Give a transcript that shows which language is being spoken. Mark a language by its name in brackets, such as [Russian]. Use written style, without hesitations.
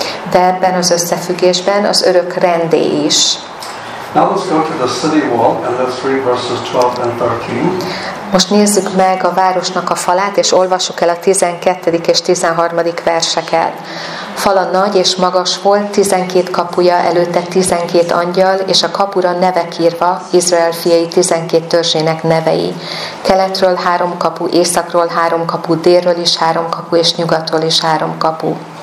[Hungarian] De ebben az összefüggésben az örök rendé is. [English] Now let's go to the city wall and let's read verses 12 and 13. [Hungarian] Most nézzük meg a városnak a falát, és olvassuk el a 12. és 13. verseket. Fala nagy és magas volt, 12 kapuja, előtte 12 angyal, és a kapura nevek írva, Izrael fiai 12 törzsének nevei. Keletről 3 kapu, északról 3 kapu, délről is 3 kapu, és nyugatról is 3 kapu.